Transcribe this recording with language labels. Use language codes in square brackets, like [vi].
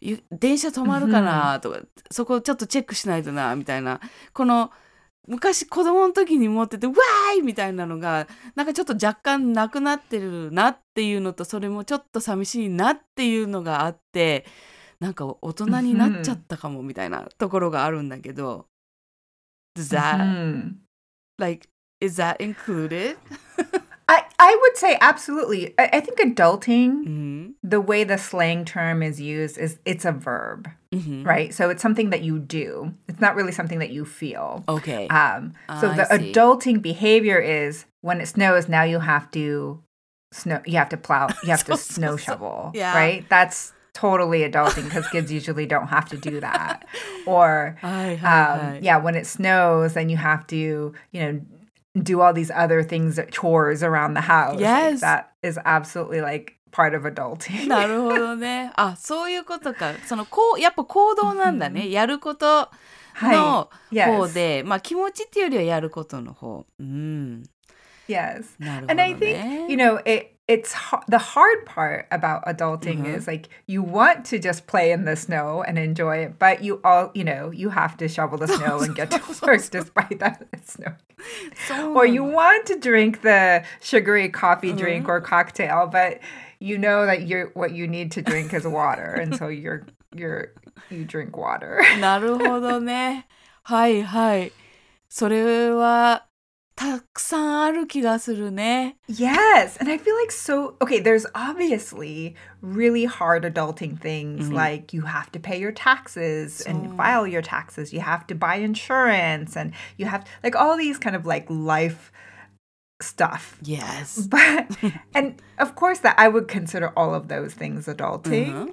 [ja] 電車止まるかなとか、そこちょっとチェックしないとなみたいな、この昔子供の時に持っててわーいみたいなのがなんかちょっと若干なくなってるなっていうのと、それもちょっと寂しいなっていうのがあって、なんか大人になっちゃったかもみたいなところがあるんだけど、うん、 [en] Does that、 [ja] うん、 [en] like is that included? I would say absolutely. I think adulting、mm-hmm. the way the slang term is used is it's a verb、mm-hmm. right? So it's something that you do. It's not really something that you feel. Okay. So the adulting behavior is when it snows, now you have to snow, you have to plow, you have to snow shovel. Yeah. Right? That'sTotally adulting, because kids usually don't have to do that. Or, yeah, when it snows, then you have to, you know, do all these other things, chores around the house. Yes. Like, that is absolutely, like, part of adulting. [ja] なるほどね。あ、そういうことか。そのこう、やっぱ行動なんだね。やることの方で、はい、まあ気持ちっていうよりはやることの方。うん。 [en] Yes. [ja] なるほどね。 [en] And I think, you know, It's the hard part about adulting、mm-hmm. is like you want to just play in the snow and enjoy it, but you all, you know, you have to shovel the snow and get to work despite that snow. Or you want to drink the sugary coffee、mm-hmm. drink or cocktail, but you know that what you need to drink is water. And so you drink water. [ja] なるほどね。はいはい。それはたくさんある気がするね。 [en] Yes, and I feel like so... Okay, there's obviously really hard adulting things、mm-hmm. like you have to pay your taxes and file your taxes. You have to buy insurance and you have... Like all these kind of like life stuff. Yes. But, and of course that I would consider all of those things adulting.